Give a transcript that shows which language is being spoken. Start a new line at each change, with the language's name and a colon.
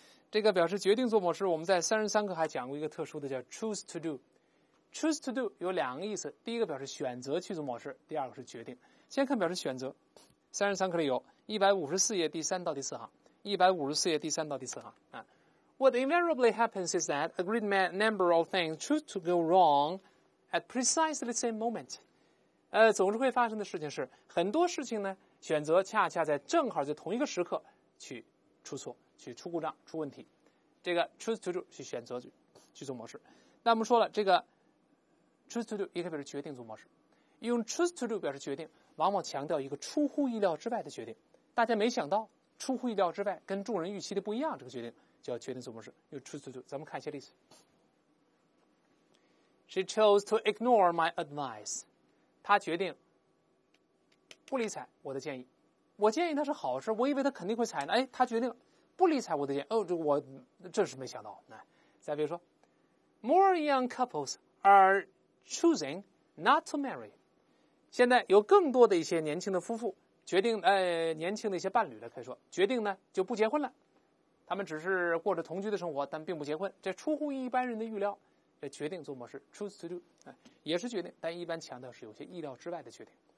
Chinese: 这个表示决定做某事，我们在33课还讲过一个特殊的叫
English: choose to do。 Choose to do
Chinese: 有两个意思，第一个表示选择去做某事，第二个是决定。先看表示选择，33课里有154页第三到第四行，154页第三到第四行啊。
English: What invariably happens is that a great number of things choose to go wrong at precisely the same moment.
Chinese: 总是会发生的事情是，很多事情呢，选择恰恰在正好在同一个时刻去出错、去出故障、出问题。这个
English: choose to do
Chinese: 去选择去做某事。那我们说了，这个 choose to do 也可以表示决定做某事。用 choose to do 表示决定，往往强调一个出乎意料之外的决定。大家没想到，出乎意料之外，跟众人预期的不一样，这个决定。叫决定做某事，又
English: choose to do。
Chinese: 咱们看一些例子。
English: She chose to ignore my advice.
Chinese: 她决定不理睬我的建议。我建议她是好事，我以为她肯定会采纳。哎，她决定不理睬我的建议。哦，这我真是没想到。来，再比如说
English: ，More young couples are choosing not to marry.
Chinese: 现在有更多的一些年轻的夫妇决定，年轻的一些伴侣了，可以说决定呢就不结婚了。他们只是过着同居的生活，但并不结婚。这出乎一般人的预料，这决定做某事 ，
English: choose to do，
Chinese: 也是决定，但一般强调是有些意料之外的决定。